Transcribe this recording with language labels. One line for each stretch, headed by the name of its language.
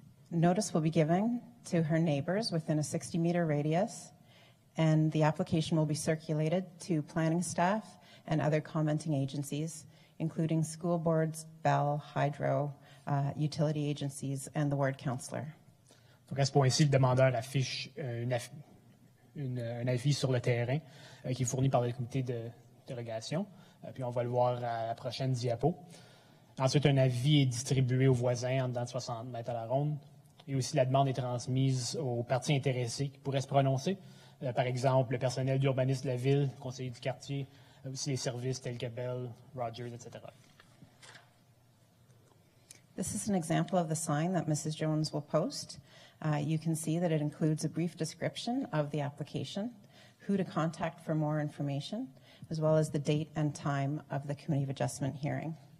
English: Notice will be given to her neighbors within a 60-meter radius, and the application will be circulated to planning staff and other commenting agencies, including school boards, Bell, Hydro, utility agencies, and the ward counselor.
French: Donc à ce point-ci, le demandeur affiche un avis sur le terrain qui est fourni par le comité de dérogation. Puis on va le voir à la prochaine diapo. Ensuite, un avis est distribué aux voisins en dedans de 60 mètres à la ronde. Et aussi, la demande est transmise aux parties intéressées qui pourraient se prononcer. Par exemple, le personnel d'urbanisme de la ville, conseiller du quartier, aussi les services tels que Bell, Rogers, etc.
English: This is an example of the sign that Mrs. Jones will post. You can see that it includes a brief description of the application, who to contact for more information, as well as the date and time of the Committee of Adjustment hearing.